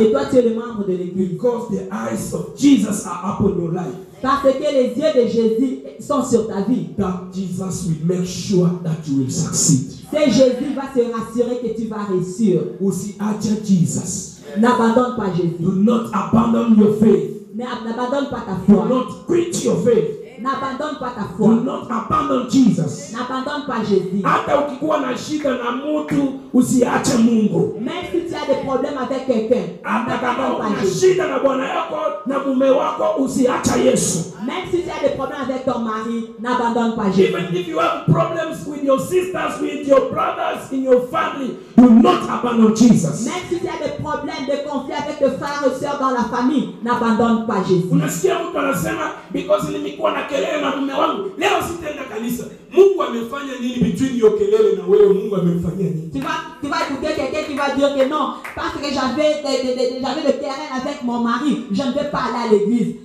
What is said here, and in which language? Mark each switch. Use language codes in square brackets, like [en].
[fr] Et toi tu es le membre de l'église. [en] Because the eyes of Jesus are upon your life. [fr] Parce que les yeux de Jésus sont sur ta vie. [en] That Jesus will make sure that you will succeed. [fr] C'est Jésus va se rassurer que tu vas réussir. [sw] Aussi acha Jesus. [fr] N'abandonne pas Jésus. [en] Do not abandon your faith. [fr] N'abandonne pas ta foi. [en] Do not quit your faith. [fr] N'abandonne pas ta foi. [en] Do not abandon Jesus. [fr] N'abandonne pas Jésus. [sw] Hata ukikuwa na shida na mtu usiache Mungu. [fr] Même si tu as des problèmes avec quelqu'un. N'abandonne pas Jésus. [sw] Shida na bwana yako na mume wako usiache Yesu. [fr] Même si tu as des problèmes avec ton mari, n'abandonne pas Jésus. [en] Even if you have problems with your sisters, with your brothers, in your family, do not abandon Jesus. [fr] Même si tu as des problèmes de conflit avec tes frères et sœurs dans la famille, n'abandonne pas Jésus. [sw] Unasikia mtu anasema because nilikuwa na kelele na mume wangu, leo sitaenda kanisa. Mungu amefanya nini between hiyo kelele na wewe? Mungu amemfanyia nini? [fr] Tu vas écouter quelqu'un qui va dire que non, parce que j'avais le terrain avec mon mari, je ne vais pas aller à l'église.